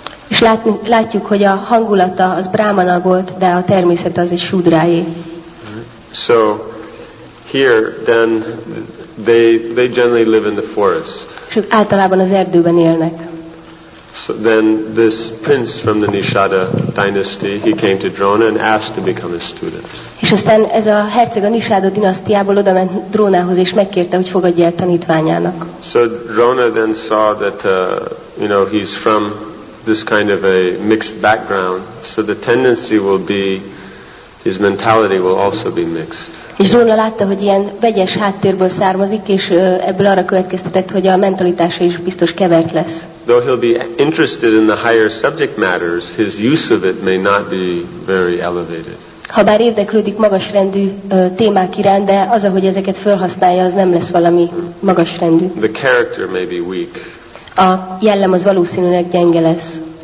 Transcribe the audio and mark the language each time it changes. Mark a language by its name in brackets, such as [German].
[Hungarian] És látjuk, hogy a hangulata az Brahmana volt, de a természet az egy Shudráé. [English] So here then they generally live in the forest. [Hungarian] Ők általában az erdőben élnek. [English] So then this prince from the Nishada dynasty, he came to Drona and asked to become a student. [Hungarian] És aztán ez a herceg a Nishada dinasztiából odament Drónához és megkérte, hogy fogadja el tanítványának. [English] So Drona then saw that he's from this kind of a mixed background, so the tendency will be his mentality will also be mixed. [Hungarian] És Drona látta, hogy ilyen vegyes háttérből származik, és ebből arra következtetett, hogy a mentalitása is biztos kevert lesz. [English] Though he'll be interested in the higher subject matters, his use of it may not be very elevated. [Hungarian] Ha bár érdeklődik magasrendű témák iránt, de az, ahogy ezeket felhasználja, az nem lesz valami magasrendű. [English] The character may be weak. [Hungarian] A jellem az valószínűleg gyenge lesz.